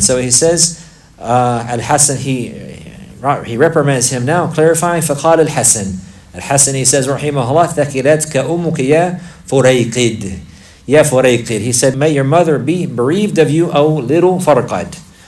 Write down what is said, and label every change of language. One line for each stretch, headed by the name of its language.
English: So he says, Al-Hassan, he reprimands him now, clarifying, فَقَالَ Al-Hassan. Al-Hassan, he says,
Arabic: رَحِيمَهُ ثَكِلَتْكَ أُمُكَ يَا فُرَيْقِدْ. يَا فُرَيْقِدْ.
English: He said, may your mother be bereaved of you, O little Farqad.